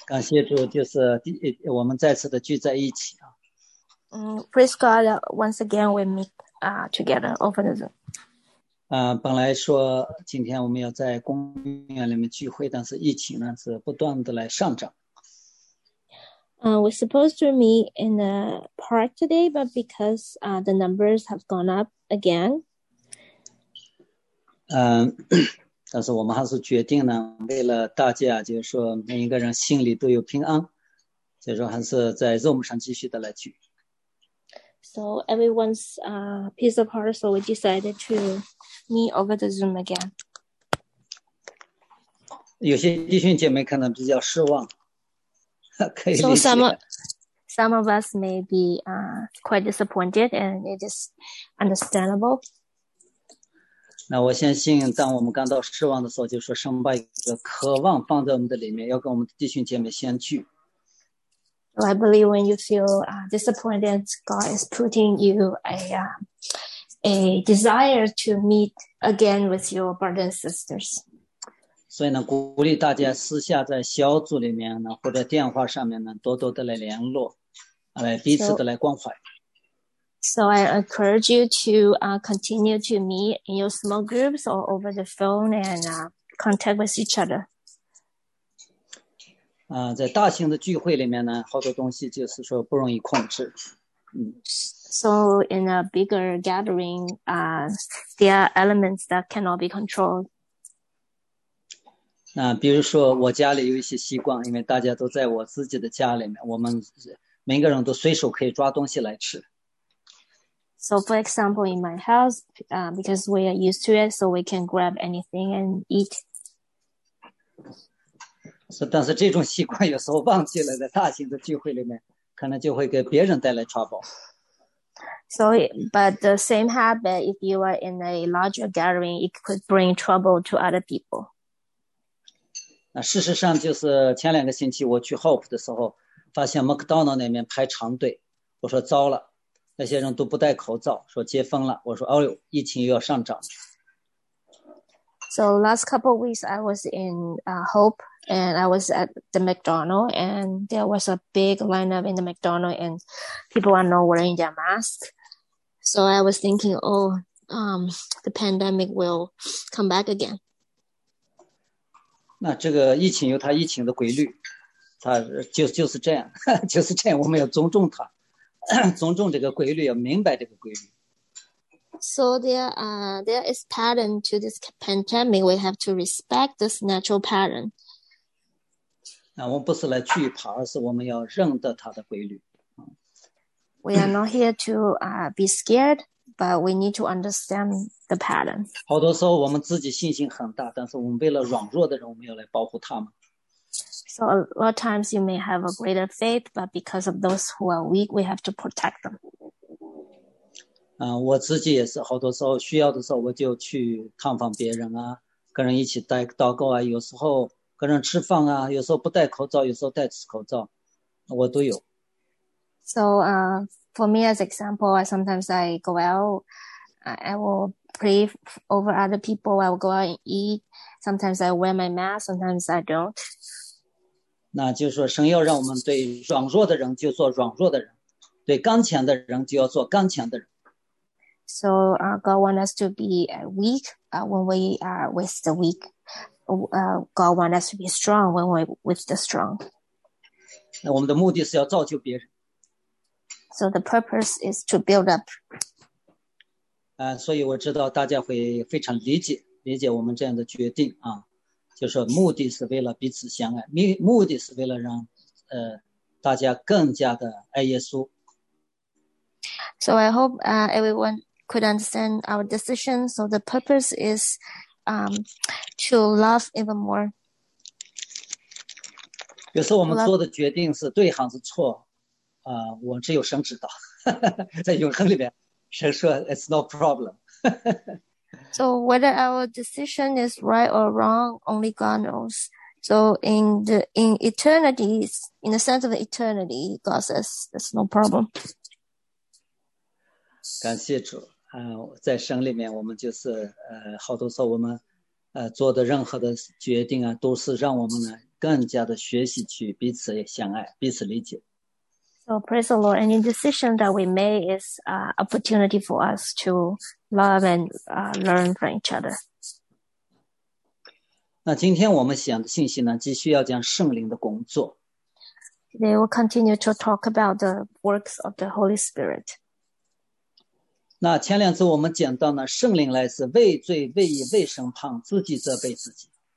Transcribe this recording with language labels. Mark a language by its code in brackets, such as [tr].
[zh] 感谢主，就是我们再次的聚在一起啊。 [en] Praise God, once again we meet together over the Zoom. [zh] 本来说今天我们要在公园里面聚会，但是疫情呢是不断的来上涨。 [en] We're supposed to meet in the park today, but because the numbers have gone up again. [zh] 但是我们还是决定呢，为了大家，就是说每一个人心里都有平安，所以说还是在 Zoom 上继续的来聚。 [en] So everyone's peace of heart, so we decided to meet over the Zoom again. [zh] 有些弟兄姐妹可能比较失望，可以 [en] So [zh] 理解。 [en] some of us may be quite disappointed, and it is understandable. [zh] 那我相信，当我们感到失望的时候，就说神把一个渴望放在我们的里面，要跟我们的弟兄姐妹相聚。 [en] I believe when you feel disappointed, God is putting you a desire to meet again with your brothers and sisters. [zh] 所以呢，鼓励大家私下在小组里面呢，或者电话上面呢，多多的来联络，来彼此的来关怀。 [en] So I encourage you to continue to meet in your small groups or over the phone and contact with each other. [zh] 在大型的聚会里面呢，好多东西就是说不容易控制， [en] So in a bigger gathering, there are elements that cannot be controlled. [zh] 那比如说我家里有一些习惯，因为大家都在我自己的家里面，我们每个人都随手可以抓东西来吃。 [en] So for example, in my house, because we are used to it, so we can grab anything and eat. [zh] 但是这种习惯有时候忘记了，在大型的聚会里面，可能就会给别人带来 trouble。 [en] But the same habit, if you are in a larger gathering, it could bring trouble to other people. [zh] 那事实上，就是前两个星期我去 Hope 的时候，发现 McDonald 那边排长队，我说糟了，那些人都不戴口罩，说接风了，我说哦呦，疫情又要上涨。 [en] So last couple of weeks, I was in Hope, and I was at the McDonald, and there was a big lineup in the McDonald, and people are not wearing their masks. So I was thinking, oh, the pandemic will come back again. [zh] 那这个疫情有它疫情的规律，它就是这样，就是这样，我们要尊重它，尊重这个规律，要明白这个规律。 [en] So there is pattern to this pandemic. We have to respect this natural pattern. [zh] 那我们不是来惧怕，而是我们要认得它的规律。 [en] We are not here to be scared, but we need to understand the pattern. [zh] 好多时候，我们自己信心很大，但是我们为了软弱的人，我们要来保护他们。 [en] So a lot of times you may have a greater faith, but because of those who are weak, we have to protect them. [zh] 我自己也是，好多时候需要的时候，我就去探访别人啊，跟人一起带祷告啊，有时候跟人吃饭啊，有时候不戴口罩，有时候戴口罩，我都有。 [en] So, for me as example, sometimes I go out, I will pray over other people, I will go out and eat. Sometimes I wear my mask, sometimes I don't. [zh] 那就是说，神要让我们对软弱的人就做软弱的人，对刚强的人就要做刚强的人。 [en] So, God want us to be weak, when we are with the weak. God want us to be strong when we're with the strong. [zh] 那我们的目的是要造就别人。 [en] So the purpose is to build up. [zh] 所以我知道大家会非常理解我们这样的决定啊。就是目的是为了彼此相爱，目的是为了让，大家更加的爱耶稣。 [en] So I hope everyone could understand our decision. So the purpose is to love even more. [zh] 有时候我们 [en] Love. [zh] 做的决定是对还是错，我只有神知道。在永恒里面，神说 [en] "It's no problem" So whether our decision is right or wrong, only God knows. So in eternity, in the sense of eternity, God says there's no problem. [zh] 感谢主，在神里面，我们就是好多时候我们做的任何的决定啊，都是让我们呢更加的学习去彼此相爱，彼此理解。 [en] So praise the Lord, any decision that we make is an opportunity for us to love and learn from each other. [zh] 那今天我们想的信息呢，继续要讲圣灵的工作。 [en] They will continue to talk about the works of the Holy Spirit. [zh] 那前两次我们讲到呢，圣灵来是为罪、为义、为审判，自己责备自己。